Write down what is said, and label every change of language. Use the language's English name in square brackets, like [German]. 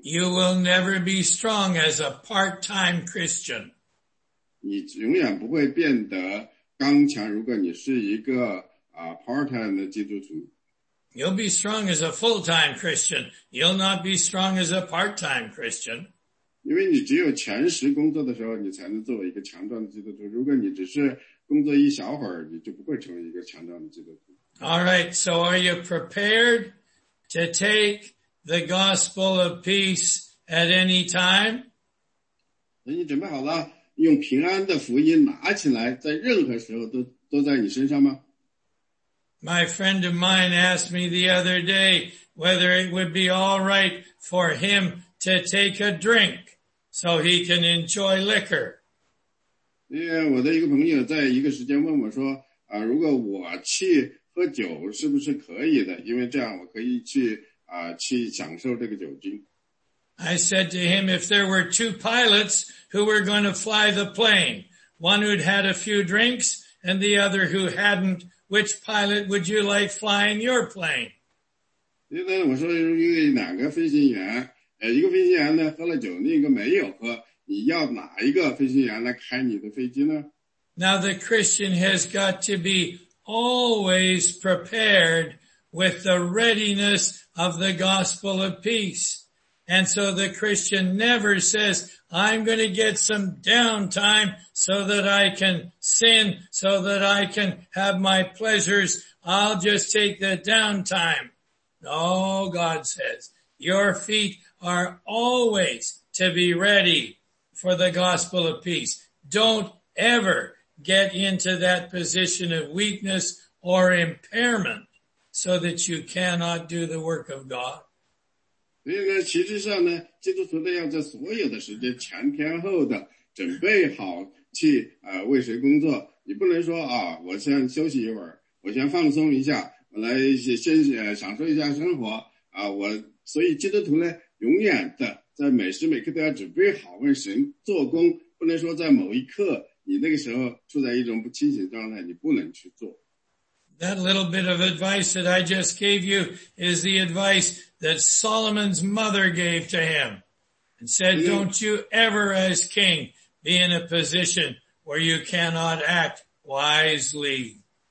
[English] You will never be strong as a part-time Christian. [Chinese] 你永远不会变得刚强，如果你是一个part-time 的基督徒。 [English] You'll be strong as a full-time Christian. You'll not be strong as a part-time Christian. [Chinese] 因为你只有全时工作的时候，你才能作为一个强壮的基督徒。如果你只是工作一小会儿，你就不会成为一个强壮的基督徒。 [English] All right, so are you prepared to take the gospel of peace at any time? [Chinese] 那你准备好了，用平安的福音拿起来，在任何时候都在你身上吗？ [English] My friend of mine asked me the other day whether it would be all right for him to take a drink so he can enjoy liquor. [Chinese] Yeah, 我的一个朋友在一个时间问我说，如果我去喝酒是不是可以的？因为这样我可以去享受这个酒精。 [English] I said to him, if there were two pilots who were going to fly the plane, one who'd had a few drinks and the other who hadn't,Which pilot would you like flying your plane? [Chinese] 因为我说有两个飞行员，一个飞行员呢喝了酒，另一个没有喝。你要哪一个飞行员来开你的飞机呢？ [English] Now the Christian has got to be always prepared with the readiness of the gospel of peace. And so the Christian never says, I'm going to get some downtime so that I can sin, so that I can have my pleasures. I'll just take the downtime. No, God says, your feet are always to be ready for the gospel of peace. Don't ever get into that position of weakness or impairment so that you cannot do the work of God. [Chinese] 所以呢，其实上呢，基督徒呢要在所有的时间前前后的准备好去为谁工作。你不能说啊，我先休息一会儿，我先放松一下，我来先享受一下生活啊。所以基督徒呢，永远的在每时每刻都要准备好为神做工，不能说在某一刻你那个时候处在一种不清醒状态，你不能去做。 [English] that little bit of advice that I just gave you is the advice that Solomon's mother gave to him and said, don't you ever as king be in a position where you cannot act wisely.